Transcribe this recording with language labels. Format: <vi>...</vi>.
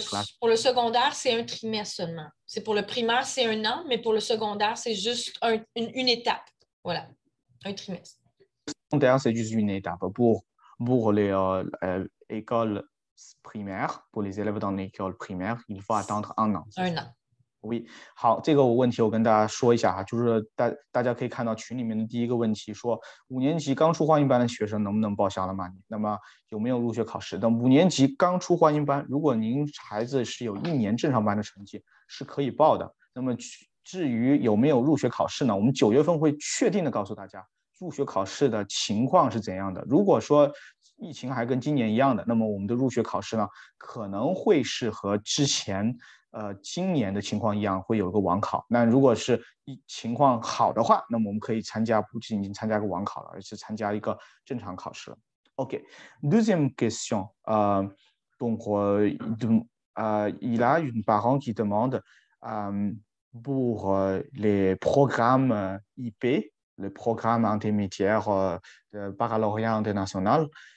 <fr>pour, pour le secondaire, c'est un trimestre seulement. C'est pour le primaire, c'est un an, mais pour le secondaire, c'est juste une étape. Voilà, un trimestre. Le secondaire, c'est juste une étape pour les... école primaire, pour les élèves dans l'école primaire, il faut attendre un an. Un an. Oui.</fr> <zh>好，这个问题我跟大家说一下哈，就是大家可以看到群里面的第一个问题说，五年级刚出欢迎班的学生能不能报销了吗？那么有没有入学考试？那五年级刚出欢迎班，如果您孩子是有一年正常班的成绩，是可以报的。那么至于有没有入学考试呢？我们九月份会确定的告诉大家入学考试的情况是怎样的。如果说疫情还跟今年一样的，那么我们的入学考试呢，可能会是和之前今年的情况一样，会有一个网考。那如果是情况好的话，那么我们可以参加，不仅仅参加一个网考了，而且参加一个正常考试了。</zh> <fr>OK， deuxième question， donc il a une parent qui demande pour les programmes IP, les programmes intermédiaires de baccalauréat international.</fr>